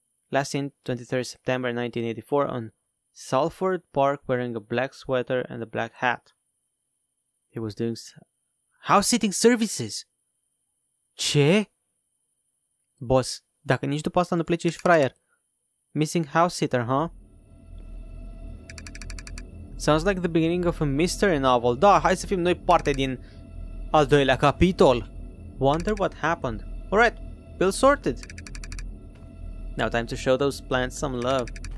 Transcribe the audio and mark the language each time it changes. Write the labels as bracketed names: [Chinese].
[English] Last seen 23 September 1984 on Salford Park wearing a black sweater and a black hat. He was doing house-sitting services. [Romanian] Ce? Boss, dacă nici după asta nu pleci, ești fraier. [English] Missing house-sitter, huh? Sounds like the beginning of a mystery novel. [Romanian] Da, hai să fim noi parte din al doilea capitol. [English] Wonder what happened. Alright, bill sorted. Now time to show those plants some love.